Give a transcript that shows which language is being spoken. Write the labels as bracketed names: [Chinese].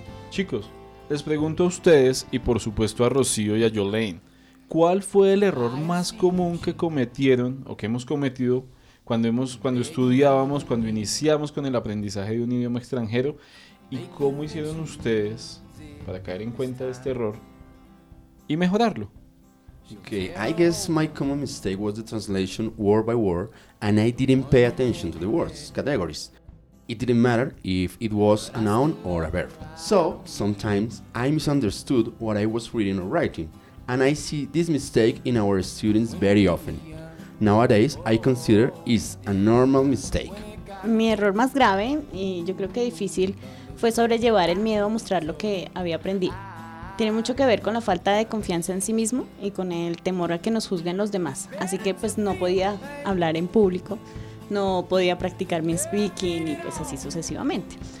[Spanish] Chicos, les pregunto a ustedes y por supuesto a Rocío y a Jolene, ¿cuál fue el error más común que cometieron o que hemos cometido cuando estudiábamos, cuando iniciamos con el aprendizaje de un idioma extranjero? ¿Y cómo hicieron ustedes para caer en cuenta de este error y mejorarlo? [English] Okay, I guess my common mistake was the translation word by word, and I didn't pay attention to the words, categories. it didn't matter if it was a noun or a verb. So, sometimes I misunderstood what I was reading or writing, and I see this mistake in our students very often. Nowadays, I consider it's a normal mistake. [Spanish] Mi error más grave, y yo creo que difícil, fue sobrellevar el miedo a mostrar lo que había aprendido. Tiene mucho que ver con la falta de confianza en sí mismo y con el temor a que nos juzguen los demás. Así que pues no podía hablar en público, no podía practicar mi speaking y pues así sucesivamente.